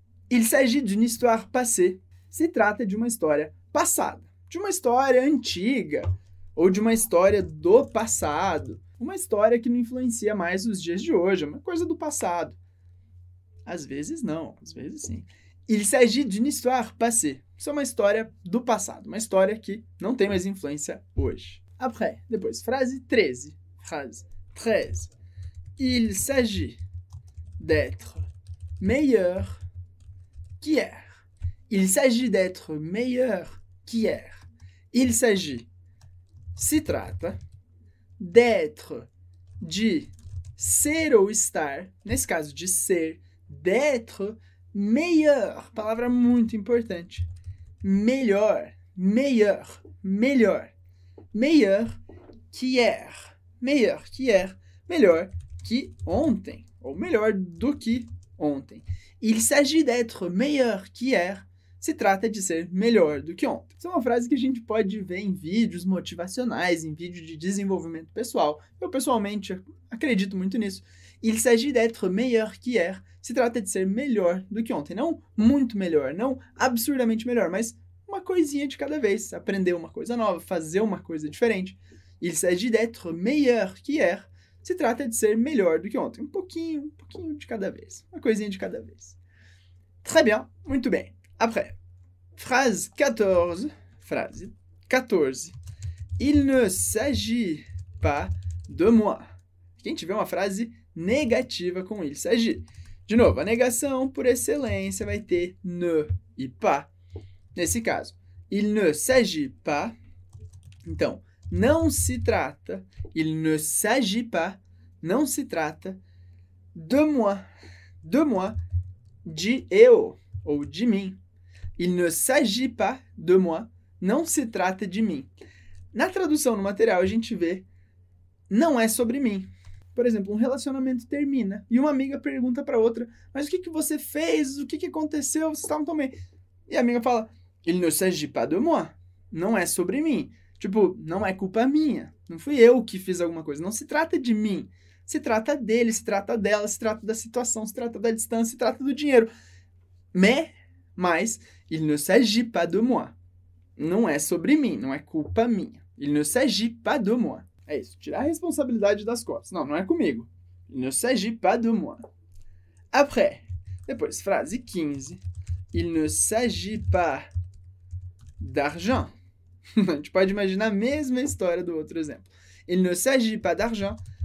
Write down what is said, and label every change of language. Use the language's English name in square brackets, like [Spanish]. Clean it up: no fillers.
[French] Il s'agit d'une histoire passée. [Portuguese] Se trata de uma história passada. De uma história antiga. Ou de uma história do passado. Uma história que não influencia mais os dias de hoje. Uma coisa do passado. Às vezes não, às vezes sim. [French] Il s'agit d'une histoire passée. [Portuguese] Isso é uma história do passado, uma história que não tem mais influência hoje. [French] Après, [Portuguese] depois, [French] phrase 13. Phrase 13. Il s'agit d'être meilleur qu'hier. Il s'agit d'être meilleur qu'hier. Il s'agit, [Portuguese] se trata, [French] d'être, [Portuguese] de ser ou estar, nesse caso, de ser, [French] d'être. [Portuguese] Melhor, palavra muito importante. Melhor, melhor, melhor. Melhor que hier. Melhor que hier. Melhor que ontem. Ou melhor do que ontem. [French] Il s'agit d'être meilleur que hier. [Portuguese] Se trata de ser melhor do que ontem. Isso é uma frase que a gente pode ver em vídeos motivacionais, em vídeo de desenvolvimento pessoal. Eu, pessoalmente, acredito muito nisso. [French] Il s'agit d'être meilleur qu'hier. [Portuguese] Se trata de ser melhor do que ontem. Não muito melhor, não absurdamente melhor, mas uma coisinha de cada vez. Aprender uma coisa nova, fazer uma coisa diferente. [French] Il s'agit d'être meilleur qu'hier. [Portuguese] Se trata de ser melhor do que ontem. Um pouquinho de cada vez. Uma coisinha de cada vez. [French] Très bien, [Portuguese] muito bem. [French] Après, phrase 14. Phrase 14. Il ne s'agit pas de moi. [Portuguese] Quem tiver uma frase negativa com il s'agit. De novo, a negação por excelência vai ter ne e pas. Nesse caso, [French] il ne s'agit pas. [Portuguese] Então, não se trata. [French] Il ne s'agit pas. [Portuguese] Não se trata [French] de moi. De moi. [Portuguese] De eu. Ou de mim. [French] Il ne s'agit pas de moi. [Portuguese] Não se trata de mim. Na tradução no material, a gente vê não é sobre mim. Por exemplo, um relacionamento termina e uma amiga pergunta para outra: mas o que que você fez? O que que aconteceu? Vocês estavam tão bem. E a amiga fala: [French] Il ne s'agit pas de moi. [Portuguese] Não é sobre mim. Tipo, não é culpa minha. Não fui eu que fiz alguma coisa. Não se trata de mim. Se trata dele, se trata dela, se trata da situação, se trata da distância, se trata do dinheiro. [French] Mas, il ne s'agit pas de moi. [Portuguese] Não é sobre mim. Não é culpa minha. [French] Il ne s'agit pas de moi. [Portuguese] É isso, tirar a responsabilidade das costas. Não, não é comigo. [French] Il ne s'agit pas de moi. Après, [Portuguese] depois, frase 15. [French] Il ne s'agit pas d'argent. [Portuguese] A gente pode imaginar a mesma história do outro exemplo. [French] Il ne s'agit pas d'argent.